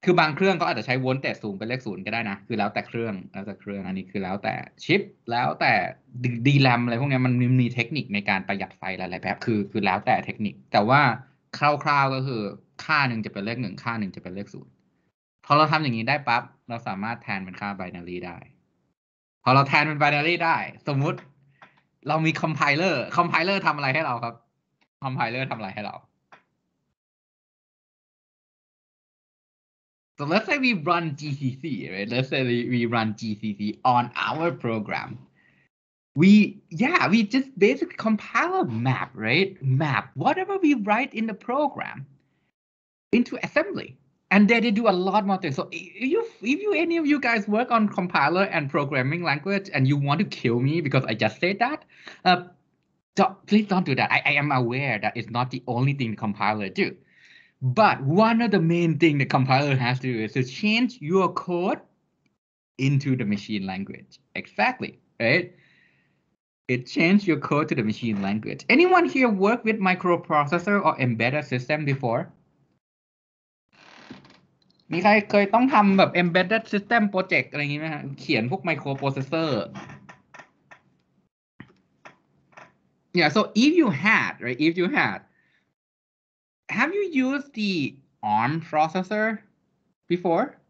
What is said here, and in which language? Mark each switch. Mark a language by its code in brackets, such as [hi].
[th] คือบางเครื่องก็อาจจะใช้โวลต์แต่สูงเป็นเลข0ก็ได้นะคือแล้วแต่เครื่องแล้วแต่เครื่องอันนี้คือแล้วแต่ชิปแล้วแต่ดีแรมอะไรพวกนี้มันมีเทคนิคในการประหยัดไฟอะไรแบบคือแล้วแต่เทคนิคแต่ว่าคร่าวๆก็คือค่าหนึ่งจะเป็นเลข1ค่าหนึ่งจะเป็นเลข0พอเราทำอย่างนี้ได้ปั๊บเราสามารถแทนเป็นค่าไบนารีได้ พอเราแทนเป็นไบนารีได้สมมติเรามีคอมไพเลอร์คอมไพเลอร์ทำอะไรให้เราครับคอมไพเลอร์ทำอะไรให้เรา [en] So let's say we run GCC, right? Let's say we run GCC on our program. We just basically compile a map, right? Map whatever we write in the program into assembly, and then they do a lot more things. So if any of you guys work on compiler and programming language, and you want to kill me because I just said that, please don't do that. I am aware that it's not the only thing the compiler do. But one of the main thing the compiler has to do is to change your code into the machine language. Exactly, right? It changed your code to the machine language. Anyone here work with microprocessor or embedded system before? [th] มีใครเคยต้องทำแบบ embedded system project อะไรอย่างนี้ไหมฮะเขียนพวก microprocessor [en] Yeah, so if you had,Have you used the ARM processor before?